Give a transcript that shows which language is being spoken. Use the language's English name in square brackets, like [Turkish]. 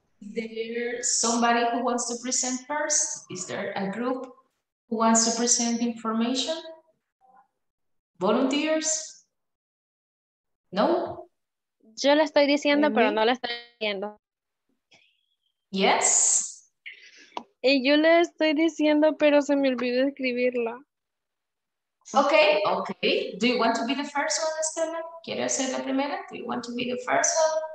[English] Is there somebody who wants to present first? Is there a group who wants to present information? Volunteers? No? [Spanish] Yo le estoy diciendo, pero no le estoy viendo. [English] Yes? [Spanish] Y yo le estoy diciendo, pero se me olvidó escribirla. [English] Okay, okay. Do you want to be the first one, Estela? ¿Quieres ser la primera? Do you want to be the first one?